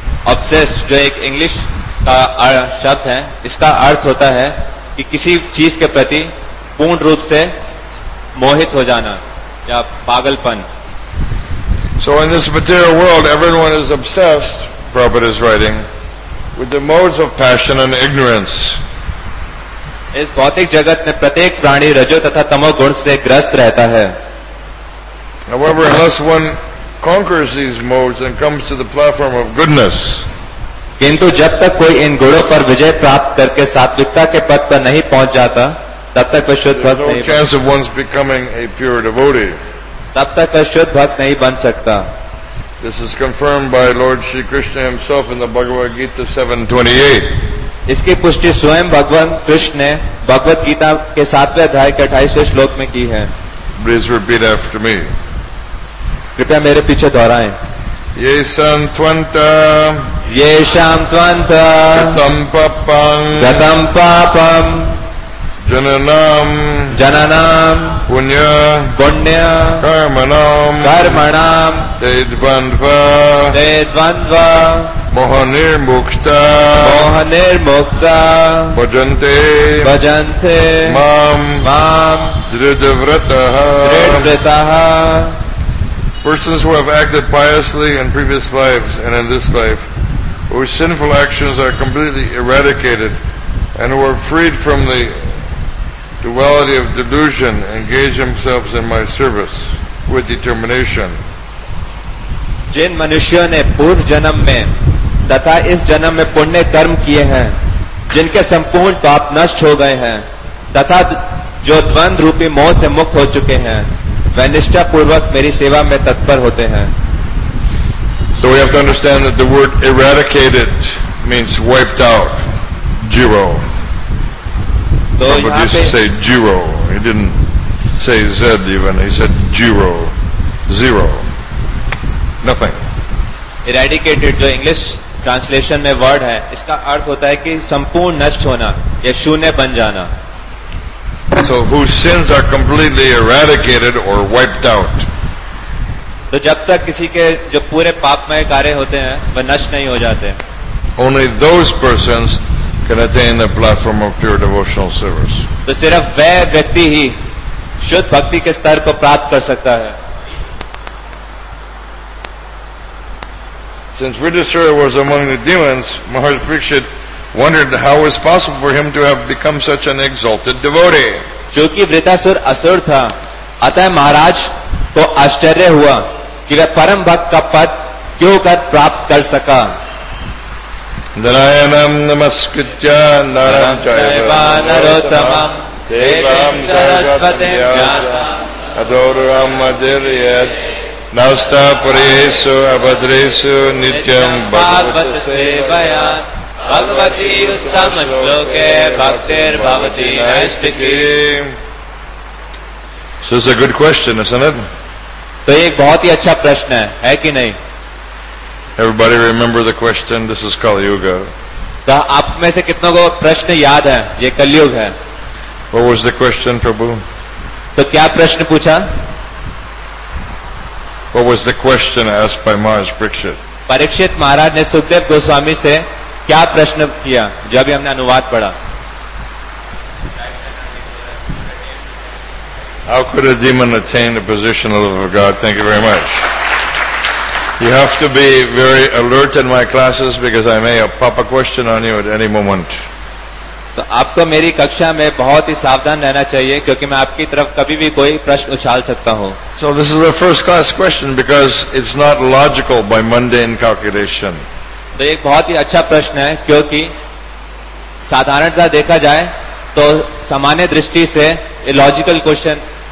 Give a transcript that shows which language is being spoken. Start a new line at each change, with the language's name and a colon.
Hindi: Obsessed, जो एक English का शब्द है, इसका अर्थ होता है कि किसी चीज के प्रति पूर्ण रूप से मोहित हो जाना.
English: So in this material world, everyone is obsessed, Prabhupada is writing, with the modes of passion and ignorance.
Hindi: इस भौतिक जगत में प्रत्येक प्राणी रजो तथा तमो गुण से ग्रस्त रहता है.
English: However, unless one conquers these modes and comes to the platform of goodness,
Hindi: किंतु जब तक कोई इन गुणों पर विजय प्राप्त करके सात्विकता के पद पर नहीं पहुंच जाता, तब तक अशुद्ध भक्त नहीं,
English: chance of one's becoming a pure devotee.
Hindi: तब तक अशुद्ध भक्त नहीं बन सकता.
English: This is confirmed by Lord Shri Krishna himself in the Bhagavad Gita 7:28.
Hindi: इसकी पुष्टि स्वयं भगवान कृष्ण ने भगवत गीता के सातवें अध्याय के 28वें श्लोक में की है.
English: Please repeat after me.
Hindi: कृपया मेरे पीछे दोहराएं.
Sanskrit: ये संत्वंत ये शांत्वंत गतं पापं जननाम जननाम पुण्य पुण्य कर्मणाम कर्मणाम ते द्वंद्व ते द्वंद्व मोहनिर्मुक्ता मोहनिर्मुक्ता भजन्ते भजन्ते माम माम दृढव्रतः दृढव्रतः.
English: Persons who have acted piously in previous lives and in this life, whose sinful actions are completely eradicated, and who are freed from the duality of delusion, engage themselves in my service with determination.
Hindi: जिन मनुष्यों ने पूर्व जन्म में तथा इस जन्म में पुण्य कर्म किए हैं, जिनके संपूर्ण पाप नष्ट हो गए हैं तथा जो द्वंद्व रूपी मोह से मुक्त हो चुके हैं, वह निष्ठापूर्वक मेरी सेवा में तत्पर होते हैं.
English: So we have to understand that the word eradicated means wiped out, zero. So Prabhupada used to say zero. He didn't say Z even. He said zero. Zero. Nothing.
Hindi: Eradicated, जो
English: English translation
Hindi: में word है, इसका अर्थ होता है कि संपूर्ण नष्ट होना या शून्य बन जाना.
English: So whose sins are completely eradicated or wiped out.
Hindi: तो जब तक किसी के जो पूरे पापमय कार्य होते हैं वह नष्ट नहीं हो जाते.
English: Only those persons can attain the platform of pure devotional service.
Hindi: तो सिर्फ वह व्यक्ति ही शुद्ध भक्ति के स्तर को प्राप्त कर सकता है.
English: Since Vritasura was among the demons, Maharaj Parikshit wondered how it was possible for him to have become such an exalted devotee.
Hindi: चूंकि वृतासुर असुर था, अतः महाराज को आश्चर्य हुआ कि वह परम भक्त का पद क्यों कर प्राप्त कर सका.
Sanskrit: नारायणं नमस्कृत्य नरं चैव नरोत्तमं देवं सरस्वतीं व्यासं अदौरं मदीयेत् नास्तापुरेषु अभद्रेषु नित्यं भगवत सेवया भगवती उत्तम श्लोके भक्तिर्भवती नैष्ठिके.
English: So it's a good question, isn't it?
Hindi: तो एक बहुत ही अच्छा प्रश्न है कि नहीं?
English: Everybody remember the question, this is Kali Yuga.
Hindi: तो आप में से कितनों को प्रश्न याद है, ये कलयुग है.
English: What was the question, Prabhu?
Hindi: तो क्या प्रश्न पूछा?
English: What was the question asked by Maharaj Parikshit?
Hindi: Parikshit महाराज ने सुखदेव गोस्वामी से क्या प्रश्न किया जो अभी हमने अनुवाद पढ़ा.
English: How could a demon attain the position of a god? Thank you very much. You have to be very alert in my classes because I may pop a question on you at any moment.
Hindi: तो आपको मेरी कक्षा में बहुत ही सावधान रहना चाहिए क्योंकि मैं आपकी तरफ कभी भी कोई प्रश्न उछाल सकता हूँ.
English: So this is a first class question because it's not logical by mundane calculation.
Hindi: तो एक बहुत ही अच्छा प्रश्न है क्योंकि साधारणता देखा जाए तो सामान्य दृष्टि से
English: A logical question.